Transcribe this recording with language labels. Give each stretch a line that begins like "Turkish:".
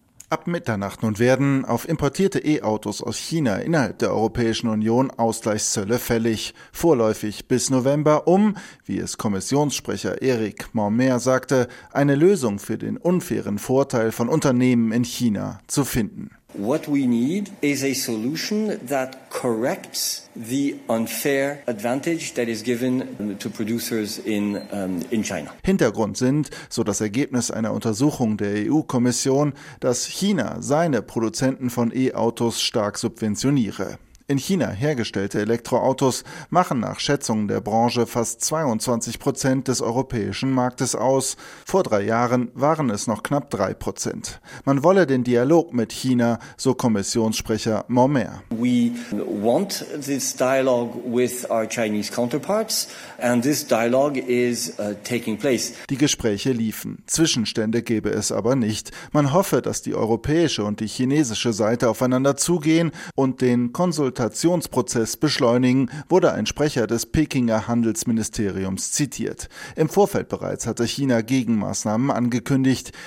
German: Ab Mitternacht nun werden auf importierte E-Autos aus China innerhalb der Europäischen Union Ausgleichszölle fällig. Vorläufig bis November, um, wie es Kommissionssprecher Eric Mormer sagte, eine Lösung für den unfairen Vorteil von Unternehmen in China zu finden.
English: What we need is a solution that corrects the unfair advantage that is given to producers in China.
German: Hintergrund sind, so das Ergebnis einer Untersuchung der EU-Kommission, dass China seine Produzenten von E-Autos stark subventioniere. In China hergestellte Elektroautos machen nach Schätzungen der Branche fast 22% des europäischen Marktes aus. Vor 3 Jahren waren es noch knapp 3%. Man wolle den Dialog mit China, so Kommissionssprecher Mormer.
English: We want this dialogue with our Chinese counterparts and this dialogue is taking place.
German: Die Gespräche liefen. Zwischenstände gäbe es aber nicht. Man hoffe, dass die europäische und die chinesische Seite aufeinander zugehen und den Konsultationen Konsultationsprozess beschleunigen, wurde ein Sprecher des Pekinger Handelsministeriums zitiert. Im Vorfeld bereits hatte China Gegenmaßnahmen angekündigt.